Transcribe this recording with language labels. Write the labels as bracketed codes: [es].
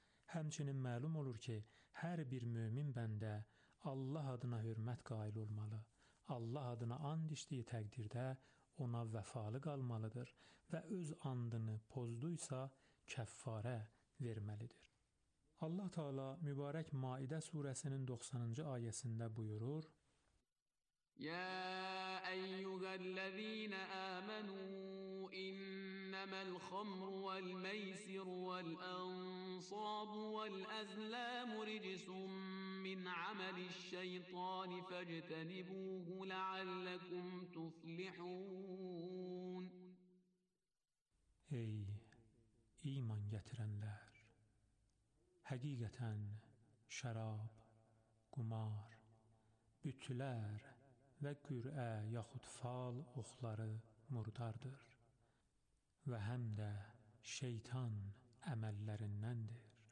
[az] Həmçinin məlum olur ki, hər bir mömin bəndə Allah adına hörmət qayıl olmalı, Allah adına and içdiyi təqdirdə ona vəfalı qalmalıdır və öz andını pozduysa kəffarə verməlidir. Allah Taala mübarək Maidə surəsinin 90-cı ayəsində buyurur: [ar] يا أيها الذين آمنوا إنما الخمر والميسر والأنصاب والأزلام رجس من عمل الشيطان فاجتنبوه لعلكم تفلحون. [az] Ey iman getirenler! Hakikaten şarap, kumar, bütler və qürə yaxud fal oxları murdardır və həm də şeytan əməllərindəndir.